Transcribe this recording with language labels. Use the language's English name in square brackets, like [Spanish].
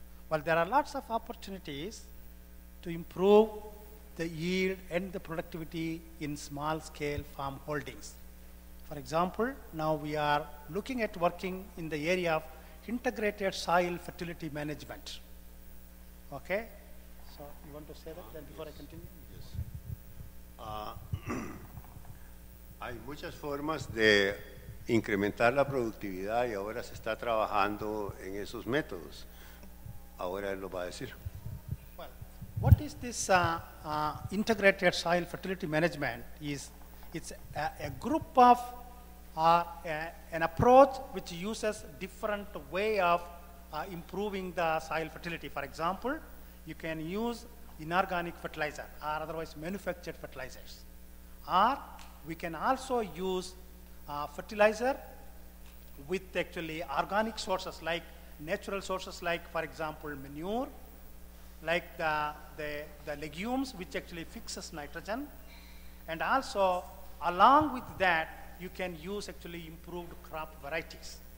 [English] Well, there are lots of opportunities to improve the yield and the productivity in small scale farm holdings. For example, now we are looking at working in the area of integrated soil fertility management. Okay, so you want to say that then before I continue? Yes. [Spanish] Hay muchas formas de incrementar la productividad y ahora se está trabajando en esos métodos. Ahora él lo va a decir. [English] Well, what is this integrated soil fertility management? It's a group of an approach which uses different way of improving the soil fertility. For example, you can use inorganic fertilizer or otherwise manufactured fertilizers, or we can also use fertilizer with actually organic sources, like natural sources, like for example manure, like the legumes which actually fixes nitrogen, and also along with that you can use actually improved crop varieties.